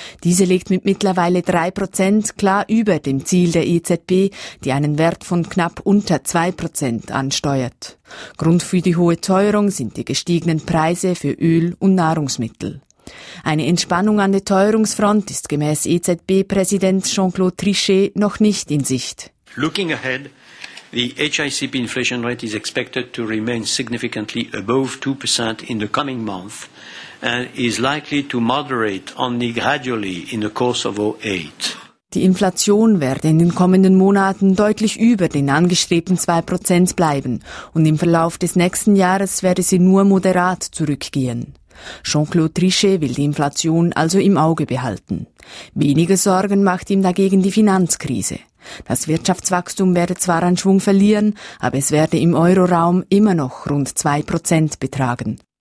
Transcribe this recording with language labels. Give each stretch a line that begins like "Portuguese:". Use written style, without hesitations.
German: Diese liegt mit mittlerweile 3% klar über dem Ziel der EZB, die einen Wert von knapp unter 2% ansteuert. Grund für die hohe Teuerung sind die gestiegenen Preise für Öl und Nahrungsmittel. Eine Entspannung an der Teuerungsfront ist gemäß EZB-Präsident Jean-Claude Trichet noch nicht in Sicht.
English: Looking ahead, the HICP inflation rate is expected to remain significantly above 2% in the coming month and is likely to moderate only gradually in the course of 2008.
German: Die Inflation werde in den kommenden Monaten deutlich über den angestrebten 2% bleiben und im Verlauf des nächsten Jahres werde sie nur moderat zurückgehen. Jean-Claude Trichet will die Inflation also im Auge behalten. Weniger Sorgen macht ihm dagegen die Finanzkrise. Das Wirtschaftswachstum werde zwar an Schwung verlieren, aber es werde im Euroraum immer noch rund 2% betragen.